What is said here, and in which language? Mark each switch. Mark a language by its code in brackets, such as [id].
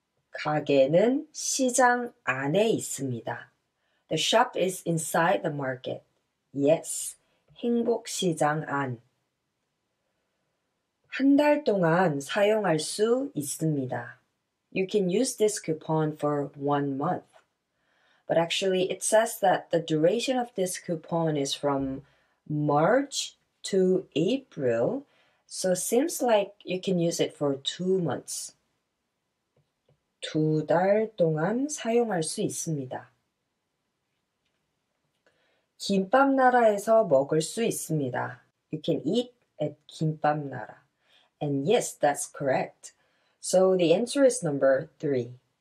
[ko] 가게는 시장 안에 있습니다. [en] The shop is inside the market. [ko] Yes, 행복 시장 안. 한 달 동안 사용할 수 있습니다. [en] You can use this coupon for 1 month. But actually, it says that the duration of this coupon is from March to April. So it seems like you can use it for 2 months. [ko] 두 달 동안 사용할 수 있습니다. 김밥 나라에서 먹을 수 있습니다. [en] You can eat at 김밥 나라. And yes, that's correct. So the answer is number 3.